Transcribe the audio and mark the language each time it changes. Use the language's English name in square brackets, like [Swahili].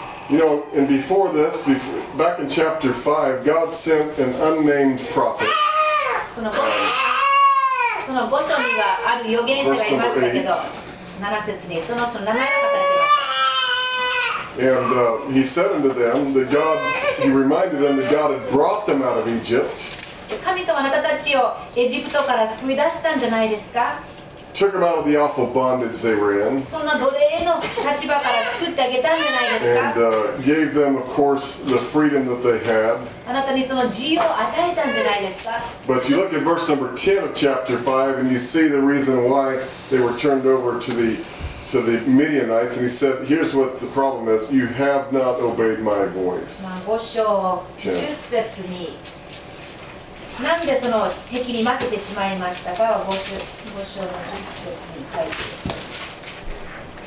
[English] You know, and before this, back in chapter 5, God sent an unnamed prophet. [Japanese] その5章にはある預言者がいましたけど、7節にその名前が書かれています。 [English] And he said unto them that God, he reminded them that God had brought them out of Egypt. [Japanese] 神様あなたたちをエジプトから救い出したんじゃないですか? [English] Took them out of the awful bondage they were in. [Japanese] そんな奴隷の立場から救ってあげたんじゃないですか? [English] And gave them, of course, the freedom that they had. [Japanese] あなたにその自由を与えたんじゃないですか? [English] But you look at verse number 10 of chapter 5 and you see the reason why they were turned over to the Midianites, and he said, here's what the problem is, you have not obeyed my voice. [Japanese] 5章10節に、なんでその敵に負けてしまいましたか、5章の10節に書いてます。